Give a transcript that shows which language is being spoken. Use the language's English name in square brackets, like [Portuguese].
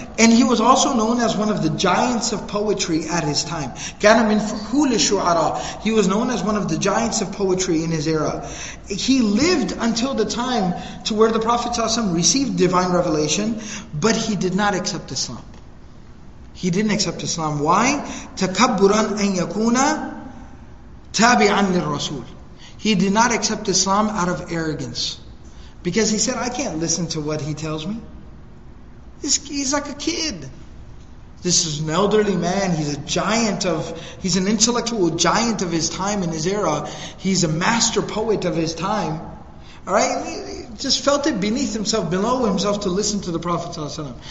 [English] And he was also known as one of the giants of poetry at his time. [Arabic] كَانَ مِنْ فُخُولِ الشُّعَرَى. [English] He was known as one of the giants of poetry in his era. He lived until the time to where the Prophet ﷺ received divine revelation, but he did not accept Islam. He didn't accept Islam. Why? [Arabic] تَكَبُّرًا أَنْ يَكُونَ تَابِعًا لِلرَّسُولِ. [English] He did not accept Islam out of arrogance. Because he said, I can't listen to what he tells me. He's like a kid. This is an elderly man. He's an intellectual giant of his time and his era. He's a master poet of his time. All right, he just felt it beneath himself, below himself, to listen to the Prophet ﷺ.